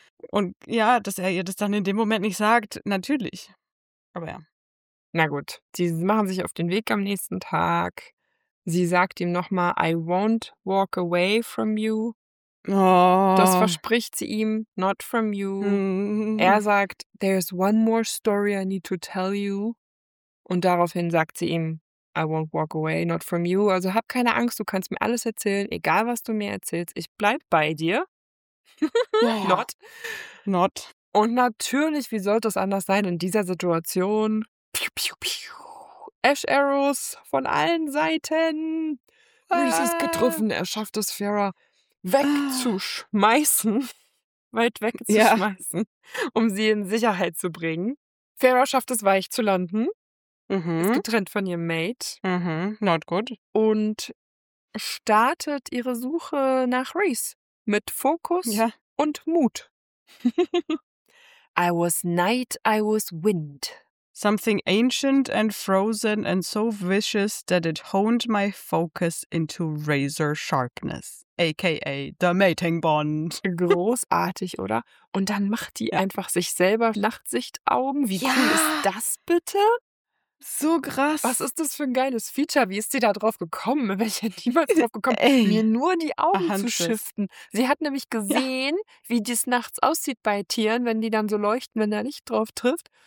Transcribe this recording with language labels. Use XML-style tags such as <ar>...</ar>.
<de>Und ja, dass er ihr das dann in dem Moment nicht sagt, natürlich. Aber ja. Na gut, sie machen sich auf den Weg am nächsten Tag. Sie sagt ihm nochmal,</de> <en>I won't walk away from you. Oh.</en> <de>Das verspricht sie ihm,</de> <en>not from you. Mm-hmm.</en> <de>Er sagt,</de> <en>there's one more story I need to tell you.</en> <de>Und daraufhin sagt sie ihm,</de> <en>I won't walk away, not from you.</en> <de>Also hab keine Angst, du kannst mir alles erzählen, egal was du mir erzählst, ich bleib bei dir. Yeah.</de> <en>Not. Not.</en> <de>Und natürlich, wie sollte es anders sein in dieser Situation? Piu, piu, piu. Ash Arrows von allen Seiten. Rhys ist getroffen, er schafft es, Farah wegzuschmeißen, weit wegzuschmeißen, um sie in Sicherheit zu bringen. Farah schafft es, weich zu landen, ist getrennt von ihrem Mate.</de> <en>Mhm. Not good.</en> <de>Und startet ihre Suche nach Reese mit Fokus ja. und Mut.</de> <en>I was night, I was wind. Something ancient and frozen and so vicious that it honed my focus into razor sharpness. A.K.A. the mating bond.</en> <de>Großartig, oder? Und dann macht die einfach sich selber Nachtsichtaugen. Wie cool ist das bitte? So krass. Was ist das für ein geiles Feature? Wie ist sie da drauf gekommen? Wäre ich ja niemals drauf gekommen, mir nur die Augen zu shiften. Sie hat nämlich gesehen, wie das nachts aussieht bei Tieren, wenn die dann so leuchten, wenn da Licht drauf trifft.</de>